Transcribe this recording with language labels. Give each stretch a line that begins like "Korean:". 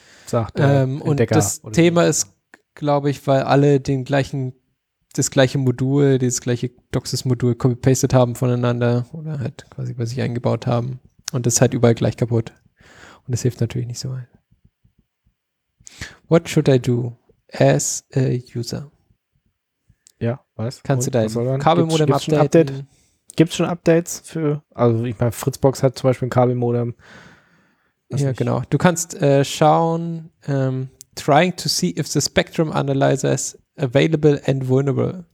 German: Und das Thema ist, glaube ich, weil alle das gleiche Modul, dieses gleiche DOCSIS-Modul copy-pasted haben voneinander oder halt quasi bei sich eingebaut haben, und das ist halt überall gleich kaputt, und das hilft natürlich nicht so weit.
English: What should I do as a user?
German: Ja, was? Kannst du dein Kabelmodem updaten? Gibt es schon Updates für, also ich meine, Fritzbox hat zum Beispiel ein Kabelmodem. Das ja, nicht. Genau. Du kannst schauen,
English: trying to see if the Spectrum Analyzer is available and vulnerable.